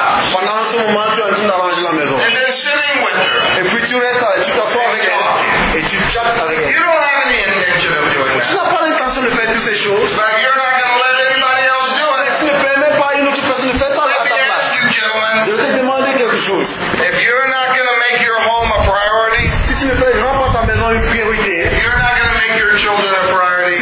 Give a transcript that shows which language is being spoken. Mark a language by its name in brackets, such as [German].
[French] Pendant ce moment, tu es en train d'arranger la maison. [English] And then sitting with her. [French] Et puis tu restes là, tu t'assois avec elle. Et tu chattes avec elle. Tu n'as pas l'intention de faire toutes ces choses. [English] But you're not gonna let anybody else do it. [French] Mais tu ne permets pas à une autre personne de faire ça. [English] Let me ask you, gentlemen. [French] Je vais te demander quelque chose. [English] If you're not gonna make your home a priority, [French] si tu ne rends pas ta maison une priorité, [English] if you're not gonna make your children a priority,